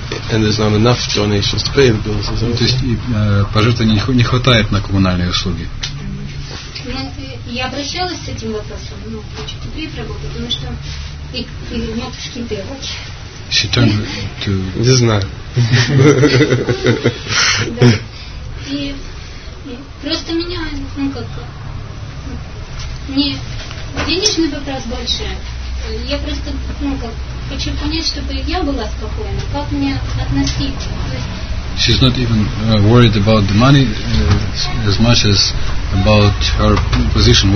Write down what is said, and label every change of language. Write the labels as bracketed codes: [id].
[en] And there's not enough donations to pay the bills. [ru] То есть пожертвований не хватает на коммунальные услуги. Я обращалась с этим вопросом, ну, хочу купить работу, потому что и матушки делать. [en] She turned to... [ru] Не знаю. Да. И просто меня, ну, как... Не денежный вопрос больше. Я просто, ну, как... Хочу понять, чтобы я была спокойна. Как мне относиться? То есть... [en] She's not even worried about the money as much as about her position.